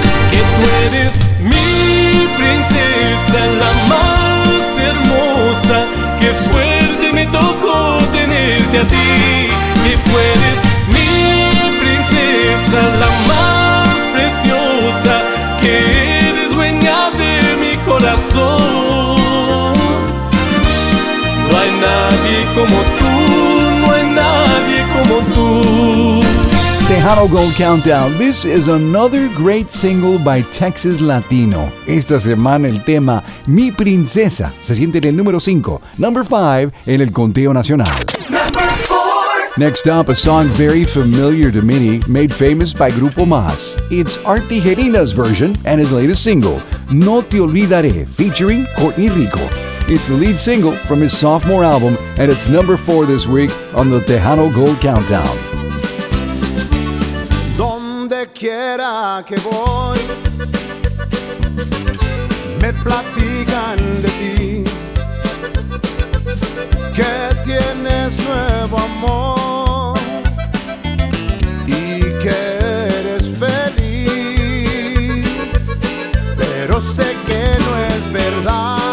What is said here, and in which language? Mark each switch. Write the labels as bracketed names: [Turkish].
[Spanish] Que tú eres mi princesa, la más hermosa, que suerte me tocó tenerte a ti, que tú eres mi princesa, la más preciosa, que eres dueña de mi corazón. No hay nadie como tú, no hay nadie como tú. [English] Tejano Gold Countdown. This is another great single by Texas Latino. [Spanish] Esta semana el tema Mi Princesa se siente en el número 5, [English] number 5 [Spanish] en el conteo nacional. [English] Number 4. Next up, a song very familiar to many, made famous by Grupo Mas. It's Art Tijerina's version and his latest single, No Te Olvidaré, featuring Courtney Rico. It's the lead single from his sophomore album, and it's number 4 this week on the Tejano Gold Countdown. [Spanish] Quiera que voy, me platican de ti, que tienes nuevo amor y que eres feliz, pero sé que no es verdad.